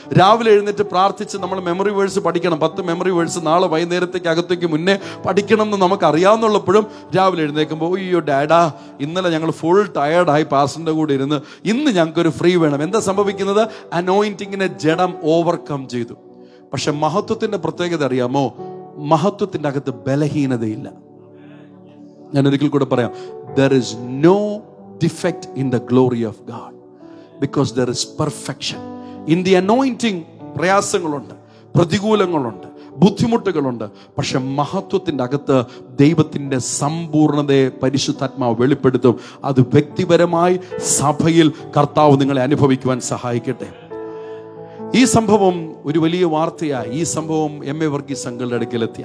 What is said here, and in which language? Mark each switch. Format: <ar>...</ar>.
<ml>രാവിലെ എഴുന്നേറ്റ് പ്രാർത്ഥിച്ച് നമ്മൾ മെമ്മറി വേഴ്സ് പഠിക്കണം. 10 മെമ്മറി വേഴ്സ് നാളെ വൈകുന്നേരത്തേക്ക് അകത്തേക്ക് മുന്നേ പഠിക്കണം എന്ന് നമുക്ക് അറിയാവുന്നുള്ളപ്പോഴും രാവിലെ എഴുന്നേൽക്കുമ്പോൾ, അയ്യോ ഡാഡാ ഇന്നലെ ഞങ്ങൾ ഫുൾ ടയർഡായി പാസ്റ്ററിൻ്റെ കൂടെ ഇരുന്ന്, ഇന്ന് ഞങ്ങൾക്കൊരു ഫ്രീ വേണം. എന്താ സംഭവിക്കുന്നത്? അനോയിൻറ്റിങ്ങിനെ ജഡം ഓവർകം ചെയ്തു. പക്ഷെ മഹത്വത്തിൻ്റെ പ്രത്യേകത അറിയാമോ? മഹത്വത്തിൻ്റെ അകത്ത് ബലഹീനതയില്ല. ഞാൻ ഒരിക്കൽ കൂടെ പറയാം,</ml> <en>there is no defect in the glory of God because there is perfection in the anointing.</en> <ml>പ്രയാസങ്ങളുണ്ട്, പ്രതികൂലങ്ങളുണ്ട്, ബുദ്ധിമുട്ടുകളുണ്ട്, പക്ഷെ മഹത്വത്തിൻ്റെ അകത്ത് ദൈവത്തിൻ്റെ സമ്പൂർണതയെ പരിശുദ്ധാത്മാവ് വെളിപ്പെടുത്തും. അത് വ്യക്തിപരമായി സഭയിൽ കർത്താവ് നിങ്ങളെ അനുഭവിക്കുവാൻ സഹായിക്കട്ടെ. ഈ സംഭവം ഒരു വലിയ വാർത്തയായി. ഈ സംഭവം എം എ വർഗീസ് സംഘങ്ങളുടെ അടുക്കലെത്തി.</ml>